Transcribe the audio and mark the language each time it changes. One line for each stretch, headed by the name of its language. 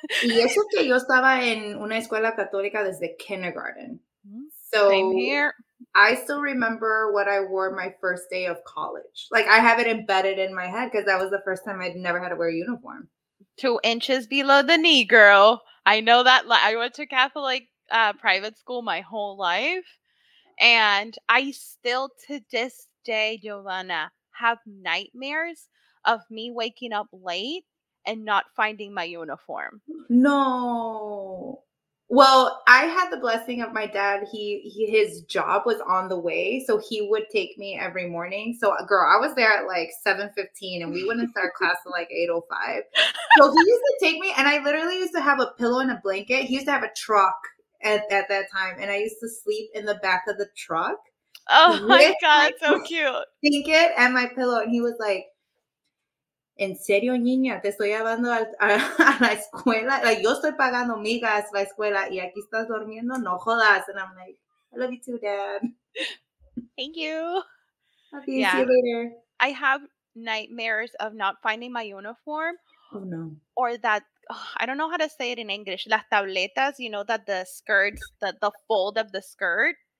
Spanish: Y eso que yo estaba en una escuela católica desde kindergarten.
English: So same here. I still remember what I wore my first day of college. Like, I have it embedded in my head because that was the first time I'd never had to wear a uniform. 2 inches below the knee, girl. I know that. I went to Catholic private school my whole life. And I still, to this day, Giovanna, have nightmares of me waking up late and not finding my uniform. No. Well, I had the blessing of my dad. His job was on the way, so he would take me every morning. So, girl, I was there at like 7:15, and we wouldn't start class at like 8:05. So he used to take me, and I literally used to have a pillow and a blanket. He used to have a truck at that time, and I used to sleep in the back of the truck. Oh my God, so cute! Blanket and my pillow, and he was like,
Spanish: ¿En serio, niña? Te estoy llevando a la escuela.
English: Like,
Spanish: yo estoy pagando mi gas la escuela y aquí estás durmiendo. No jodas.
English: And I'm like, I love you too, Dad. Thank you. Okay, yeah. See you later. I have nightmares of not finding my uniform. Oh, no. Or that, I don't know how to say it in English.
Spanish: Las tabletas,
English: you know, that the skirts, the fold of the skirt.